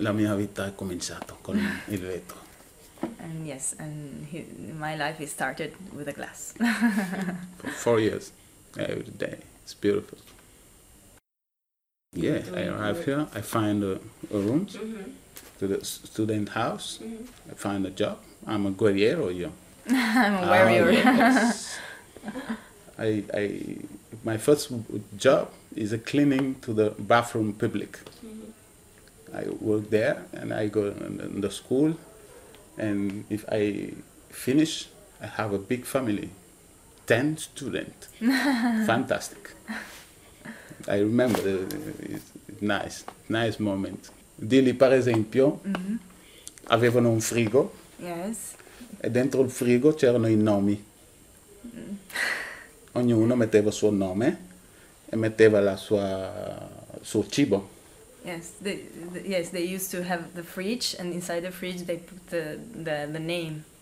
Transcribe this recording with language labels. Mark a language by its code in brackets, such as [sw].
[it] La mia vita è cominciata con il vetro. [en] And yes, and my life is started with a glass. For 4 years, every day, it's beautiful. Yeah, I arrive here, I find a room. Mm-hmm. To the student house, mm-hmm. I find a job. I'm a guerriero, you. I'm a warrior. My first job is a cleaning to the bathroom public. Mm-hmm. I work there and I go in the school. And if I finish, I have a big family, 10 students. Fantastic. I remember, it's nice moment. [it] Dili, per esempio, mm-hmm. avevano un frigo. [en] Yes. [it] E dentro il frigo c'erano i nomi. Mm. Ognuno metteva il suo nome e metteva la sua suo cibo. [en] Yes, they used to have the fridge, and inside the fridge they put the name.